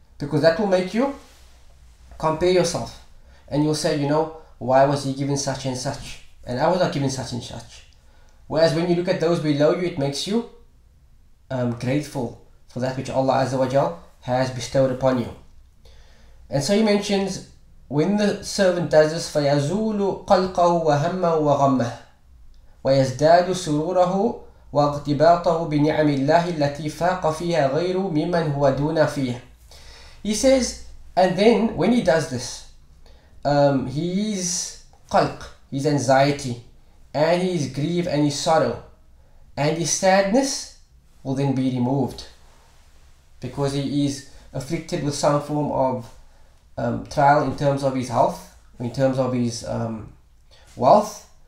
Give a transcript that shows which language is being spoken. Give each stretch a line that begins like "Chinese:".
English: Because that will make you compare yourself and you'll say, you know, why was he given such and such and I was not given such and such. Whereas when you look at those below you, it makes you grateful for that which Allah Azza wa Jal has bestowed upon you.
Arabic: And so he mentions, when the servant does this, فَيَزُولُ قَلْقَهُ وَهَمَّهُ وَغَمَّهُ وَيَزْدَادُ سُرُورَهُ وَاغْتِبَاطَهُ بِنِعَمِ اللَّهِ الَّتِي فَاقَ فِيهَا غَيْرُ مِمَّنْ هُوَ دُونَ فِيهَا.
English: He says, and then when he does this, his qalq, his anxiety, and his grief and his sorrow, and his sadness will then be removed, because he is afflicted with some form of trial in terms of his health, in terms of his wealth.